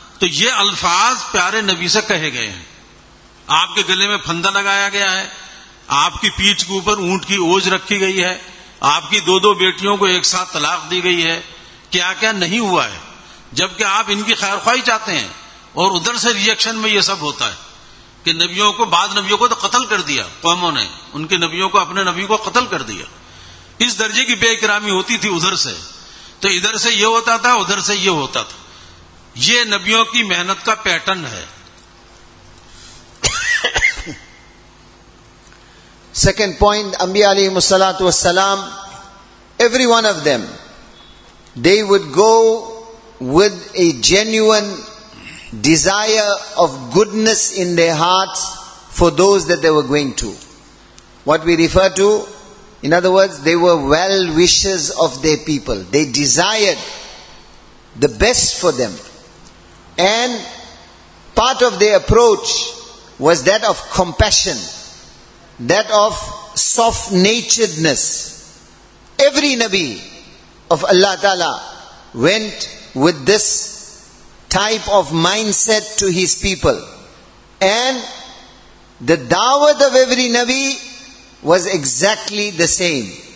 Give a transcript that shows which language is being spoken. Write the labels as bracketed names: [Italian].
[Urdu] تو یہ الفاظ پیارے نبی سے کہے گئے ہیں، آپ کے گلے میں پھندا لگایا گیا ہے، آپ کی پیٹھ کے اوپر اونٹ کی اوج رکھی گئی ہے، آپ کی دو دو بیٹیوں کو ایک ساتھ طلاق دی گئی ہے، کیا کیا نہیں ہوا ہے، جبکہ آپ ان کی خیر خواہی چاہتے ہیں، اور ادھر سے ریئیکشن میں یہ سب ہوتا ہے کہ نبیوں کو، بعض نبیوں کو تو قتل کر دیا قوموں نے، ان کے نبیوں کو، اپنے نبی کو قتل کر دیا، اس درجے کی بے اکرامی ہوتی تھی ادھر سے. تو ادھر سے یہ ہوتا تھا، ادھر سے یہ ہوتا تھا، یہ نبیوں کی محنت کا پیٹرن ہے. [English] Second point, انبیاء علیہ الصلوۃ والسلام، every one of them, they would go with a genuine desire of goodness in their hearts for those that they were going to, what we refer to, in other words they were well wishes of their people, they desired the best for them, and part of their approach was that of compassion, that of soft naturedness. Every Nabi of Allah Ta'ala went with this type of mindset to his people, and the da'wat of every Nabi was exactly the same.